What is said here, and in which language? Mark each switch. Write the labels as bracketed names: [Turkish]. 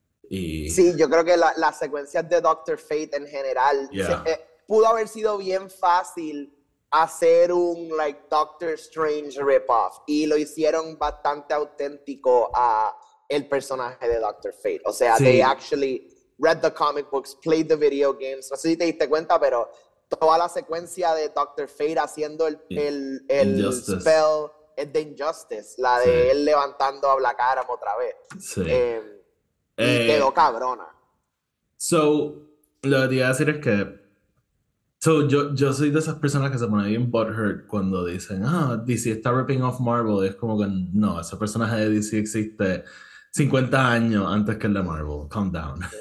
[Spanish] Sí, yo creo que las secuencias de Doctor Fate en general pudo haber sido bien fácil hacer un [English] like Doctor Strange ripoff [Spanish] y lo hicieron bastante auténtico a el personaje de Doctor Fate. O sea, [English] they [Spanish] Sí. [English] actually read the comic books, played the video games. [Spanish] No sé si te diste cuenta, pero toda la secuencia de Doctor Fate haciendo el [English] Injustice. spell [Spanish] es de Injustice, la Sí. de él levantando a Black Adam otra vez. Sí. Y quedó cabrona. Lo que te iba a decir es que yo soy de esas personas que se pone bien [English] butthurt [Spanish] cuando dicen, ah, DC está [English] ripping off [Spanish] Marvel. Y es como que no, ese personaje de DC existe 50 años antes que el de Marvel. [English] Calm down.